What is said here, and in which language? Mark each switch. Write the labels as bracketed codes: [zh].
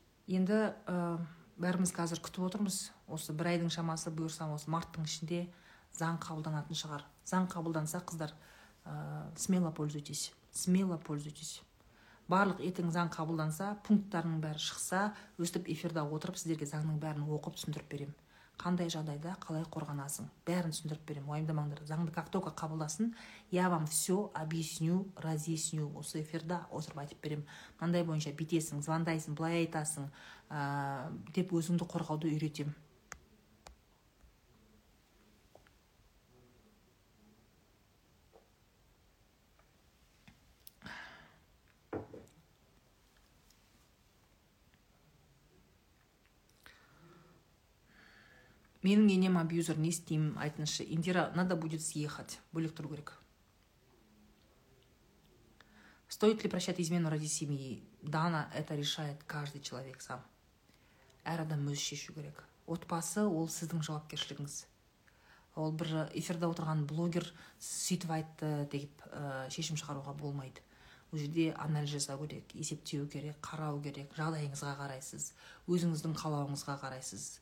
[kk] Енді бәріміз қазір күтіп отырмыз. Осы бір айдың шамасы бұйырсам осы марттың ішінде заң қабылданатын шығар. Заң қабылданса, қыздар, [ru] смело пользуйтесь. Смело пользуйтесь. [kk] Барлық етің заң қабылданса, пункттарының бәрі шықса, өстіп эфирде отырып, сіздерге заңның бәрін оқып түсіндіріп беремін. Қандай жағдайда қалай қорғанасың? Бәрін түсіндіріп беремін. Уайымдамаңдар. [ru] Заңды как только қабылдасын, я вам всё объясню, разъясню. [kk] Осы эфирде отырып айтып беремін. Қандай бойынша бітесің, звондайсың, былай айтасың. Деп өзіңді қорғауды үйретем. Менің енем абьюзер, не істеймін, айтыңызшы. [ru] Индира, надо будет съехать. [kk] Бөлек тұру керек. [ru] Стоит ли прощать измену ради семьи? Дана, это решает каждый человек сам. [kk] Әр адам өз шешу керек. Отбасы ол сіздің жауапкершілігіңіз. Ол бір эфирде отырған блогер сөйтіп айтты деп шешім шығаруға болмайды. Ол жерде анализ жасау керек, есептеу керек, қарау керек, жағдайыңызға қарайсыз, өзіңіздің қалауыңызға қарайсыз.